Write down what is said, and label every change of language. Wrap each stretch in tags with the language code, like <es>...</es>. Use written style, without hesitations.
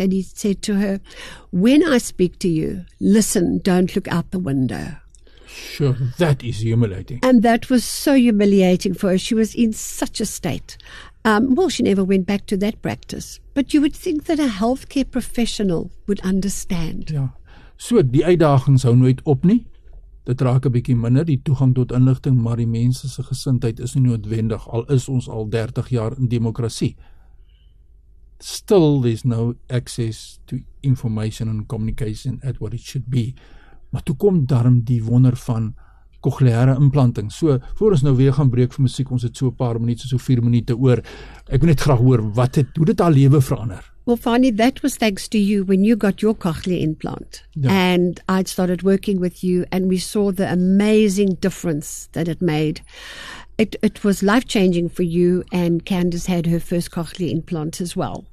<en>And he said to her, when I speak to you, listen, don't look out the window. Sure, that is humiliating. And that was so humiliating for her. She was in such a state. Well, she never went back to that practice. But you would think that a healthcare professional would understand.</en> <af>Ja. So die uitdagings hou nooit op nie. Dit raak 'n bietjie minder, die toegang tot inligting, maar die mense se gesindheid is nie noodwendig, al is ons al 30 jaar in demokrasie.</af> <en>Still, there's no access to information and communication at what it should be.</en> <af>Maar toe kom daarom die wonder van cochleaire implanting. So, voor ons nou weer gaan breek vir muziek, ons het so 'n paar minuut, so 4 minute oor. Ek wil net graag hoor, hoe dit haar lewe verander?</af> <en>Well, Fani, that was thanks to you when you got your cochlear implant.</en> <af>Ja.</af> <en>And I started working with you and we saw the amazing difference that it made. It was life-changing for you, and Candace had her first cochlear implant as well.</en>